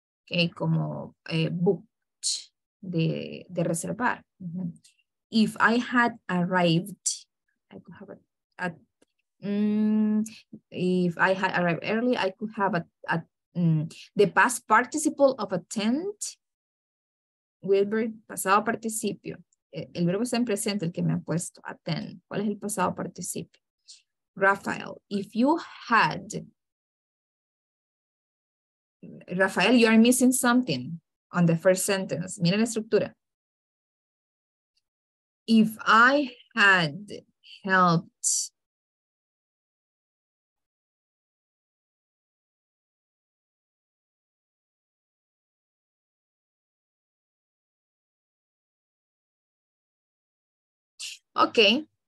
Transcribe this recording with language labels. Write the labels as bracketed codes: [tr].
[es] Okay, como booked, de reservar. Mm-hmm. [en] If I had arrived, I could have the past participle of attend. [es] Wilbur, pasado participio. El verbo está en presente, el que me ha puesto, attend. ¿Cuál es el pasado participio? [en] Rafael, you are missing something on the first sentence. [es] Mira la estructura. [en] If I had helped, okay.